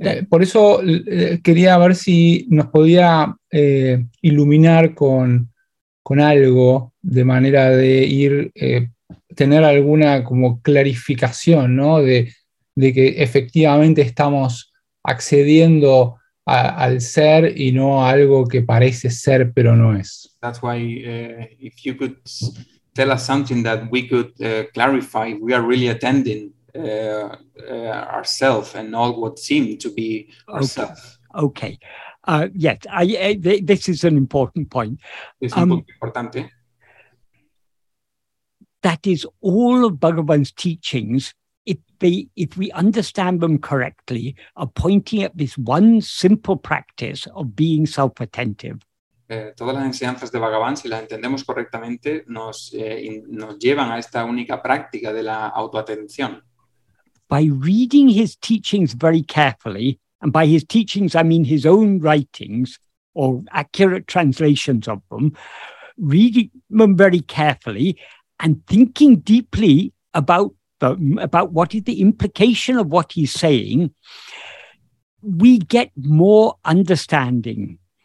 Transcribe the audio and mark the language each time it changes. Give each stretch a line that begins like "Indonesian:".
Spanish: Por eso quería ver si nos podía iluminar con algo de manera de ir tener alguna como clarificación, ¿no? De que efectivamente estamos accediendo al ser y no a algo que parece ser pero no es.
English: That's why if you could tell us something that we could clarify, we are really attending ourselves and not what seemed to be ourselves. Okay. Yes, this is an important point.
Spanish: Es un punto importante.
English: That is all of Bhagavan's teachings, if we understand them correctly, are pointing at this one simple practice of being self-attentive.
Spanish: Todas las enseñanzas de Bhagavan, si las entendemos correctamente, nos llevan a esta única práctica de la autoatención.
English: By reading his teachings very carefully, and by his teachings I mean his own writings or accurate translations of them, reading them very carefully and thinking deeply about what is the implication of what he's saying, we get more understanding.